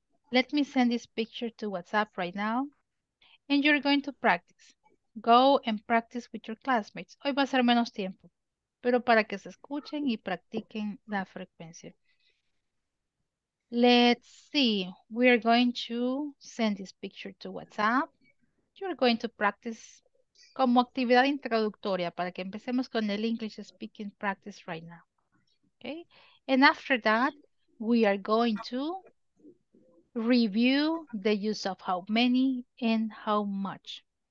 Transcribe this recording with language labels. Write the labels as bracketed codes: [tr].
[en] Let me send this picture to WhatsApp right now. And you're going to practice. Go and practice with your classmates. [es] Hoy va a ser menos tiempo, pero para que se escuchen y practiquen la frecuencia. [en] Let's see. We are going to send this picture to WhatsApp. You're going to practice [es] como actividad introductoria para que empecemos con el [en] English speaking practice right now. Okay? And after that, we are going to review the use of how many and how much.